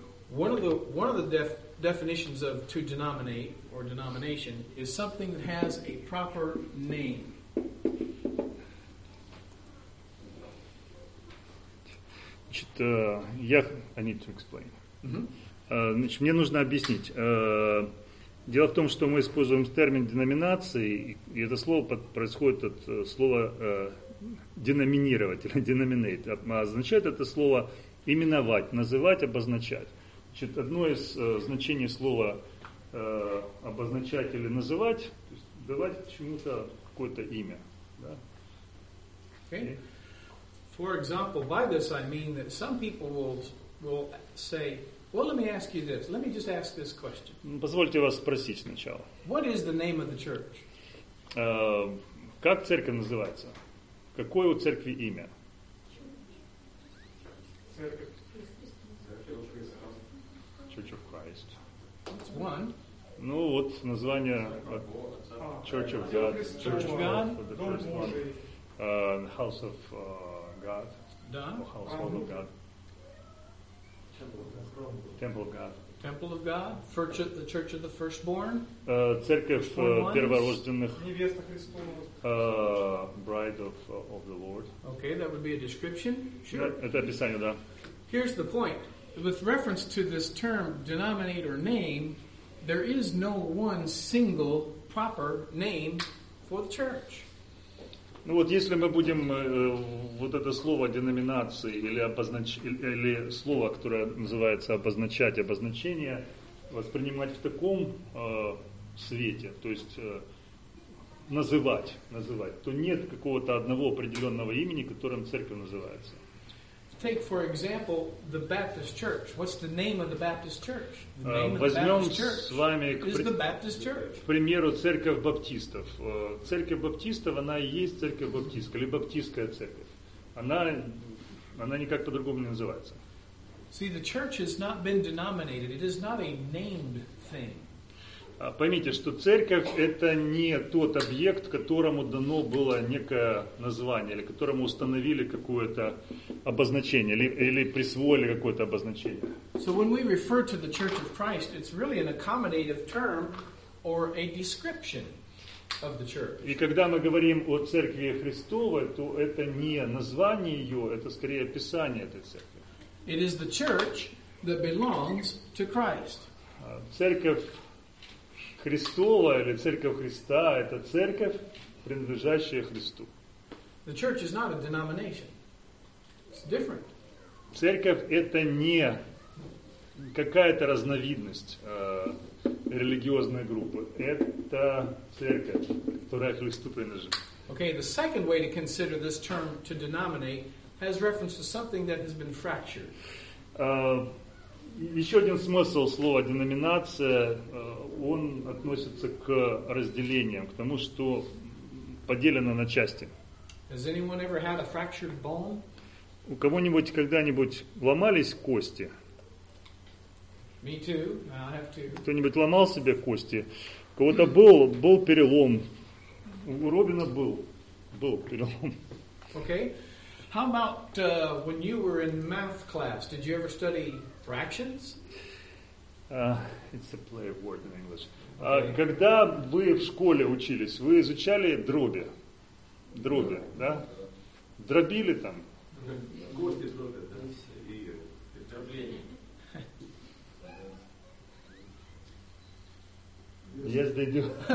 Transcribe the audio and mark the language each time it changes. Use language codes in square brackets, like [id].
[en] One of the definitions of to denominate or denomination is something that has a proper name. [ru] Значит, [en] I need to explain. [ru] Значит, мне нужно объяснить. Дело в том, что мы используем термин деноминации, и это слово происходит от слова деноминировать или деноминейт. Означает это слово именовать, называть, обозначать. Значит, одно из значений слова обозначать или называть, то есть давать чему-то какое-то имя. Да? [en] Okay. For example, by this I mean that some people will say, well, let me ask you this. Let me just ask this question. [ru] Позвольте вас спросить сначала. [en] What is the name of the church? [ru] Как церковь называется? Какое у церкви имя? [en] Church of Christ. That's one. [ru] Ну вот название Church of God. [en] Church of God. The first one. House of God. [ru] Да. [en] Household of God. Temple of God. Temple of God. The Church of the Firstborn. [ru] Церковь перворожденных. Невеста Христова. [en] Bride of the Lord. Okay, that would be a description. Sure. [ru] Это описание, да. [en] Here's the point. With reference to this term denominate or name, there is no one single proper name for the church. [ru] Ну вот если мы будем вот это слово деноминации или или слово, которое называется обозначать, обозначение, воспринимать в таком свете, то есть называть, то нет какого-то одного определенного имени, которым церковь называется. [en] Take, for example, the Baptist Church. What's the name of the Baptist Church? [ru] Возьмем с вами к примеру церковь баптистов. Церковь баптистов, она и есть церковь баптистская, или баптистская церковь. Она никак по-другому не называется. [en] See, the church has not been denominated. It is not a named thing. [ru] Поймите, что церковь – это не тот объект, которому дано было некое название, или которому установили какое-то обозначение, или присвоили какое-то обозначение. [en] So when we refer to the Church of Christ, it's really an accommodative term or a description of the church. [ru] И когда мы говорим о Церкви Христовой, то это не название ее, это скорее описание этой церкви. [en] It is the church that belongs to Christ. [ru] Церковь Христова или Церковь Христа – это церковь, принадлежащее Христу. [en] The church is not a denomination. It's different. [ru] Церковь — это не какая-то разновидность религиозной группы. Это церковь, которая Христу принадлежит. [en] Okay, the second way to consider this term to denominate has reference to something that has been fractured. [ru] Еще один смысл слова деноминация, он относится к разделениям, к тому, что поделено на части. [en] Has anyone ever had a fractured bone? [ru] У кого-нибудь когда-нибудь ломались кости? [en] Me too. I have two. [ru] Кто-нибудь ломал себе кости? У кого-то был перелом? У Робина был перелом. [en] Okay. How about when you were in math class? Did you ever study fractions? It's a play of words in English. Okay. [ru] Когда вы в школе учились, вы изучали дроби? Дроби, [en] yeah. [ru] Да? Дробили там? Кости дроби, да? И дробление. [en] Yes, they do.